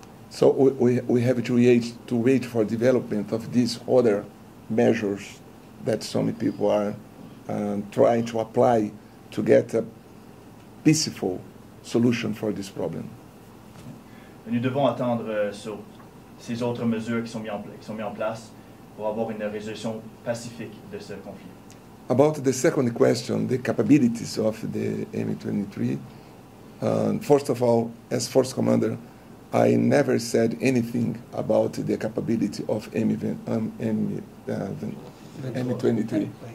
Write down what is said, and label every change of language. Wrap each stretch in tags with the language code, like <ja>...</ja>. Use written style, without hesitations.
<en>So we have to wait for development of these other measures that some people are trying to apply to get a peaceful solution for this problem.</en> <fr>Nous devons attendre sur ces autres mesures qui sont mises en place pour avoir une résolution pacifique de ce conflit.</fr> <en>About the second question, the capabilities of the M23. First of all, as force commander, I never said anything about the capability of M23.</en>